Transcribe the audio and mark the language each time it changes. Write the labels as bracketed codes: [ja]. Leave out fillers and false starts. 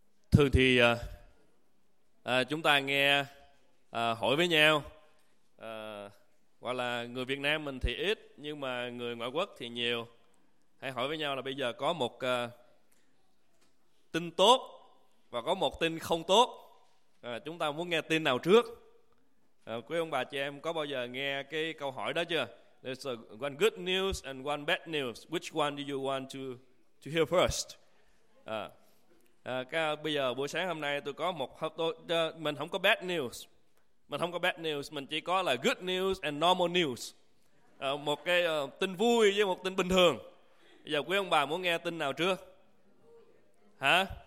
[vi] Thường thì chúng ta nghe hỏi với nhau, hoặc là người Việt Nam mình thì ít nhưng mà người ngoại quốc thì nhiều, hay hỏi với nhau là bây giờ có một tin tốt và có một tin không tốt, chúng ta muốn nghe tin nào trước? Quý ông bà chị em có bao giờ nghe cái câu hỏi đó chưa? [en] There's one good news and one bad news. Which one do you want to hear first? [vi] Bây giờ buổi sáng hôm nay tôi có một mình không có bad news, mình chỉ có là [en] good news and normal news, [vi] một cái tin vui với một tin bình thường. Bây giờ quý ông bà muốn nghe tin nào trước? Hả?